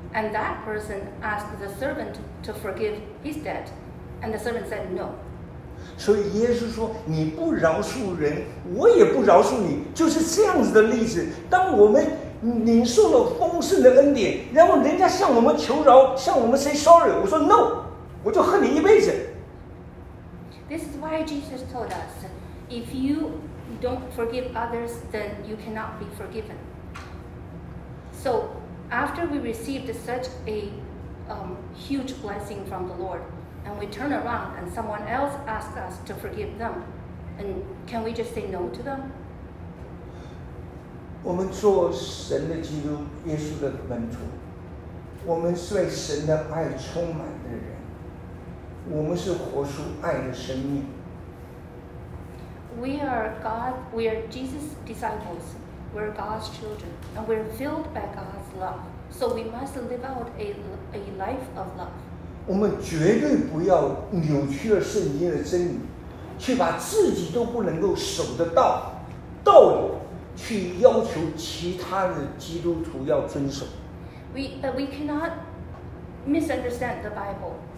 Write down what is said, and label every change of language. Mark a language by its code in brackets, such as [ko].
[en] And that person asked the servant to forgive his debt, and the servant said no. [zh] 所以耶稣说，你不饶恕人，我也不饶恕你，就是这样子的例子。当我们领受了丰盛的恩典，然后人家向我们求饶，向我们 [en] say sorry, [zh] 我说 [en] no, [zh] 我就恨你一辈子。 [en] This is why Jesus told us, if you don't forgive others, then you cannot be forgiven. So,After we received such a huge blessing from the Lord, and we turn around and someone else asks us to forgive them, and can we just say no to them? [zh] 我们做神的基督耶稣的门徒，我们是为神的爱充满的人，我们是活出爱的生命。 [en] We are Jesus' disciples. We're God's children, and we're filled by God's love. So we must live out a life of love. [zh] 我们绝对不要扭曲了圣经的真理，去把自己都不能够守的道理，去要求其他的基督徒要遵守。 [en] We cannot misunderstand the Bible.